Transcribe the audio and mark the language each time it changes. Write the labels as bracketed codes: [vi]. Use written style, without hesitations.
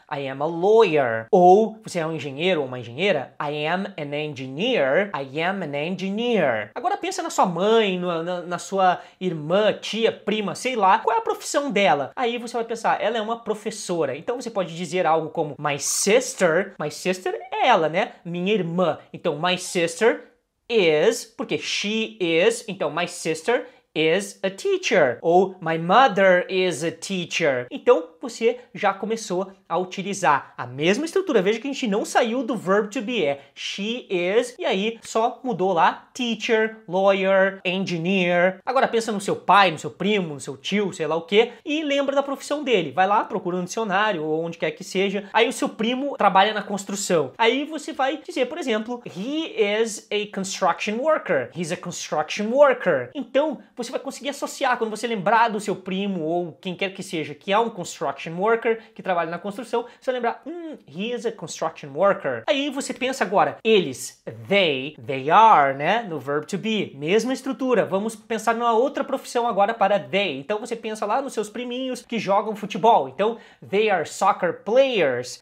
[en] I am a lawyer. [pt] Ou você é um engenheiro ou uma engenheira? [en] I am an engineer. I am an engineer. [pt] Agora pensa na sua mãe, na sua irmã, tia, prima, sei lá. Qual é a profissão dela? Aí você vai pensar, ela é uma professora. Então você pode dizer algo como [en] my sister. My sister [pt] é ela, né? Minha irmã. Então [en] my sister is, [pt] porque [en] she is, [pt] então [en] my sister is a teacher, [pt] ou [en] my mother is a teacher. [pt] Então, você já começou a utilizar a mesma estrutura. Veja que a gente não saiu do verb to be, é she is, e aí só mudou lá teacher, lawyer, engineer. Agora pensa no seu pai, no seu primo, no seu tio, sei lá o quê, e lembra da profissão dele. Vai lá, procura um dicionário, ou onde quer que seja. Aí o seu primo trabalha na construção. Aí você vai dizer, por exemplo, [en] he is a construction worker. He's a construction worker. [pt] Então, você vai conseguir associar, quando você lembrar do seu primo ou quem quer que seja que é um construction worker, que trabalha na construção, você vai lembrar, [en] he is a construction worker. [pt] Aí você pensa agora, eles, they are, né, no verb to be, mesma estrutura. Vamos pensar numa outra profissão agora para they. Então você pensa lá nos seus priminhos que jogam futebol. Então, [en] they are soccer players.